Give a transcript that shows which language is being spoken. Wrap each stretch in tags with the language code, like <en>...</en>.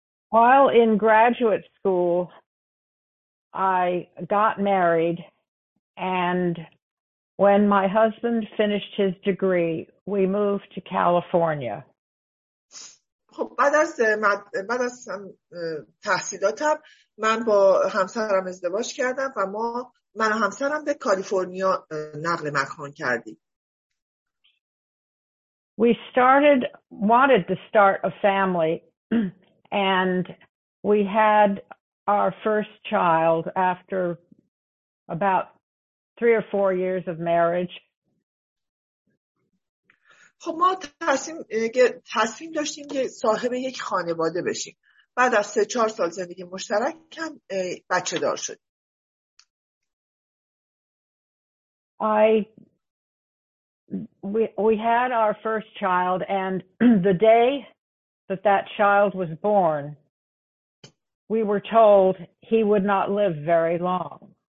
<en>While in graduate school, I got married, and when my husband finished his degree, we moved to California.</en> <fa>خب بعد از تحصیلاتم من با همسرم ازدواج کردم و من و همسرم به کالیفرنیا نقل مکان کردیم.</fa> <en>We wanted to start a family, and we had our first child after about 3 or 4 years of marriage.</en> <fa>خب ما تصمیم داشتیم که صاحب یک خانواده بشیم. بعد از 3-4 سال زندگی مشترک هم بچه دار شدیم.</fa> <en>We had our first child, and the day that child was born, we were told he would not live very long.</en>